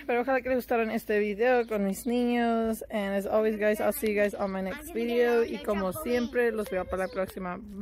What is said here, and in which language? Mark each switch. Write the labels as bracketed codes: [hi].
[es] Pero ojalá que les gustaron este video con mis niños. [en] And as always, guys, I'll see you guys on my next video. [es] Y como siempre, los veo para la próxima.